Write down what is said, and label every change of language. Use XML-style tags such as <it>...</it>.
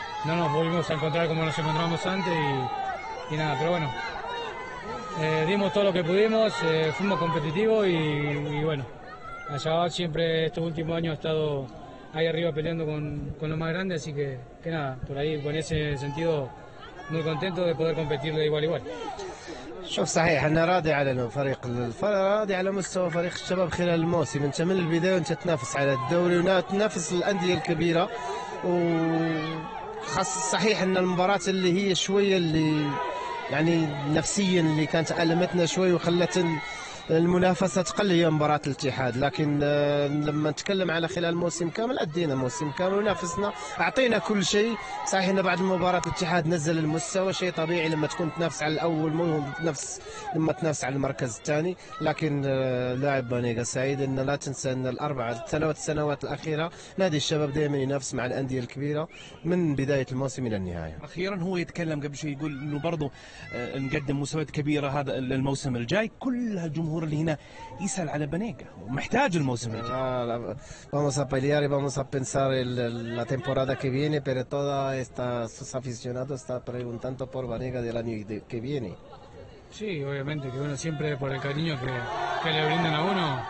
<es>No nos volvimos a encontrar como nos encontramos antes y nada, pero bueno, dimos todo lo que pudimos, fuimos competitivos y bueno, allá va siempre estos últimos años ha estado ahí arriba peleando con los más grandes, así que nada, por ahí, con ese sentido, muy contento de poder competirle igual.</es> <ar>شوف صحيح، انا راضي على الفريق، راضي على مستوى فريق الشباب خلال الموسم. انت من البدايه انت تنافس على الدوري وتنافس الانديه الكبيره، و خاص صحيح ان المباراه اللي هي شويه اللي يعني نفسيا اللي كانت ألمتنا شوي وخلت المنافسه تقل هي مباراه الاتحاد، لكن لما نتكلم على خلال الموسم كامل ادينا موسم كامل ونافسنا، اعطينا كل شيء. صحيح ان بعد مباراه الاتحاد نزل المستوى، شيء طبيعي لما تكون تنافس على الاول لما تنافس على المركز الثاني، لكن لاعب بانيجا سعيد. ان لا تنسى ان الثلاث سنوات الاخيره نادي الشباب دائما ينافس مع الانديه الكبيره من بدايه الموسم الى النهايه. اخيرا هو يتكلم قبل شيء يقول انه برضه نقدم مستويات كبيره هذا الموسم الجاي، كلها الجمهور اللي هنا يسأل على بانيجا ومحتاج الموسم الجاي.</ar> <es>Vamos a pelear y vamos a pensar la temporada que viene, pero toda esta sus aficionados está preguntando por Banega del año que viene. Sí, obviamente que uno siempre por el cariño que le brindan a uno.</es>